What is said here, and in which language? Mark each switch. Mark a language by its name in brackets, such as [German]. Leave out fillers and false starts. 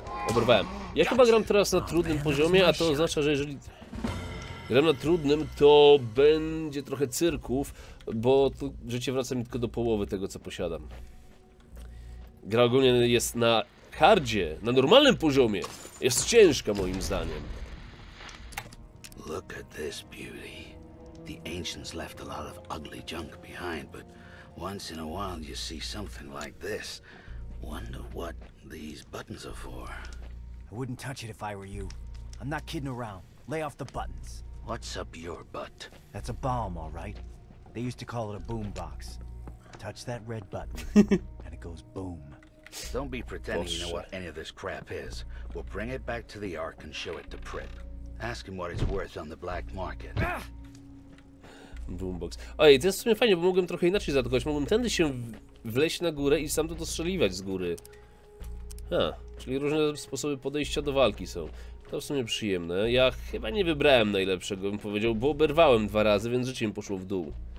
[Polish] Oberwałem. Ja chyba gram teraz na trudnym poziomie, a to oznacza, że jeżeli gram na trudnym, to będzie trochę cyrków, bo tu życie wraca mi tylko do połowy tego, co posiadam. Gra ogólnie jest na hardzie, na normalnym poziomie. Jest ciężka moim zdaniem. [English] Look at this beauty. The ancients left a lot of ugly junk behind, but once in a while you see something like this. Wonder what these buttons are for. I wouldn't touch it if I were you. I'm not kidding around. Lay off the buttons. What's up your butt? That's a bomb, all right. They used to call it a boombox. Touch that red button, and it goes boom. Don't be pretending you know what any of this crap is. We'll bring it back to the Ark and show it to Prip. Ask him what it's worth on the black market. Boombox. [Polish] Ojej, to jest w sumie fajnie, bo mogłem trochę inaczej zatkować. Mogłem tędy się wleźć na górę i sam to dostrzeliwać z góry. Ha, czyli różne sposoby podejścia do walki są. To w sumie przyjemne. Ja chyba nie wybrałem najlepszego, bym powiedział, bo oberwałem dwa razy, więc życie mi poszło w dół.